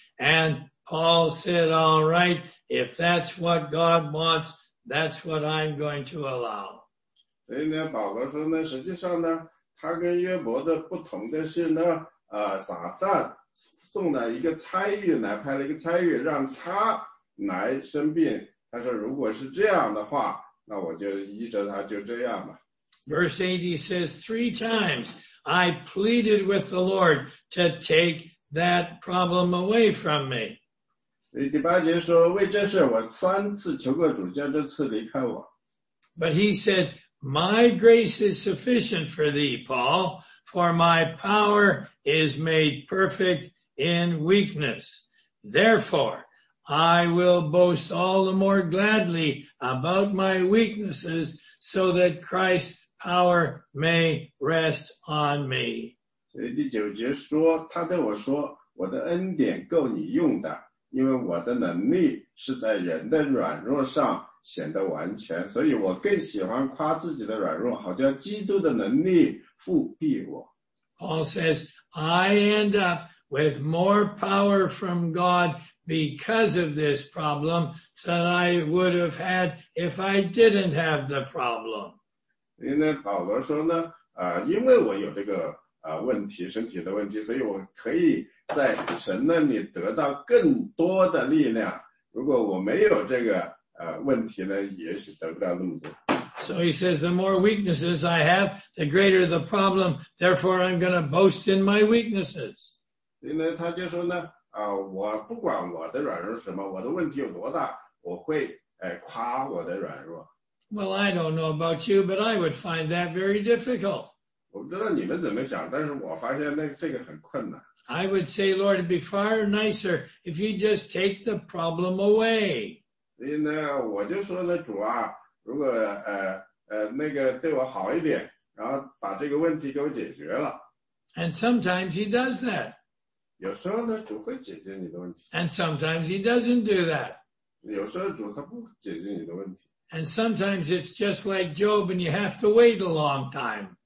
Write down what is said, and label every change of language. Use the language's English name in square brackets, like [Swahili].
[English] And Paul said, all right, if that's what God wants, that's what I'm going to allow. [Chinese] 所以呢，保罗说呢，实际上呢，他跟约伯的不同的是呢，撒旦送了一个差役来，派了一个差役让他来生病。他说如果是这样的话，那我就依着他就这样吧。 [English] Verse 8 says, three times I pleaded with the Lord to take that problem away from me. [Chinese] 第八节说，为这事我三次求过主，将这刺离开我。 [English] But he said, my grace is sufficient for thee, Paul, for my power is made perfect in weakness. Therefore,I will boast all the more gladly about my weaknesses so that Christ's power may rest on me. [Chinese] 所以第九节说，他对我说，我的恩典够你用的，因为我的能力是在人的软弱上显得完全，所以我更喜欢夸自己的软弱，好叫基督的能力覆庇我。 [English] Paul says, I end up with more power from GodBecause of this problem that I would have had if I didn't have the problem. [Chinese] 因为保罗说呢，因为我有这个问题，身体的问题，所以我可以在神那里得到更多的力量。如果我没有这个问题呢，也许得不到那么多。 [English] So he says, the more weaknesses I have, the greater the problem. Therefore, I'm going to boast in my weaknesses. [Chinese] 因为他就说呢。我不管我的软弱是什么，我的问题有多大，我会夸我的软弱。 [English] Well, I don't know about you, but I would find that very difficult. [Chinese] 我不知道你们怎么想，但是我发现那这个很困难。 [English] I would say, Lord, it'd be far nicer if you just take the problem away. [Chinese] 所以呢，我就说呢，主啊，如果那个对我好一点，然后把这个问题给我解决了。 [English] And sometimes he does that. [Chinese] 有时候呢，主会解决你的问题。 [English] And sometimes he doesn't do that. [Chinese] 有时候主他不解决你的问题。 [English] And sometimes it's just like Job, and you have to wait a long time.